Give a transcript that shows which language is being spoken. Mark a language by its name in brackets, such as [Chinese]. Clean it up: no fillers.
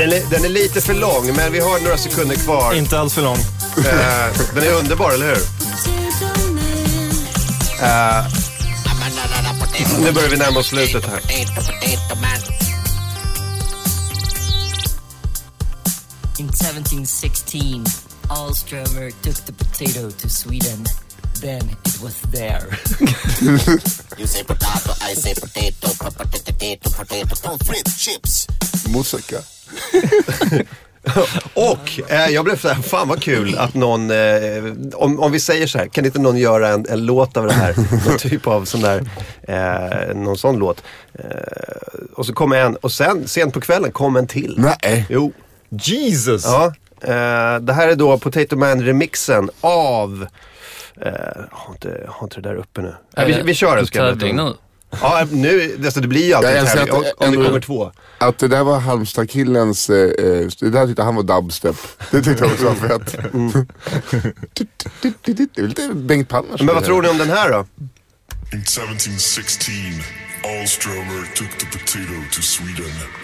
[Swedish] Den är lite för lång, men vi har några sekunder kvar. Inte alls för lång. Den är underbar, eller hur? Nu börjar vi närma oss slutet här. [English] In 1716, Alströmer took the potato to Sweden. Then it was there. You say potato, I say potato, potato, potato, pomfrit, chips. Musika. [Swedish] Och jag blev så här, fan vad kul att någon, om vi säger så här, kan inte någon göra en låt av det här? Någon typ av sån där, någon sån låt. Och så kom en, och sen, sent på kvällen, kom en till. Nej. Jo. Jesus! Ja, det här är då Potato Man-remixen av... har inte det där uppe nu. Vi kör den. Ja, nu, alltså det blir ju alltid här, att, om det kommer två. Att det där var Halmstad-killens... det där tyckte han var dubstep. Det tyckte jag också var fett. Det är lite Bengt Palmers. Men vad tror ni om den här då? [English] In 1716, Alströmer took the potato to Sweden.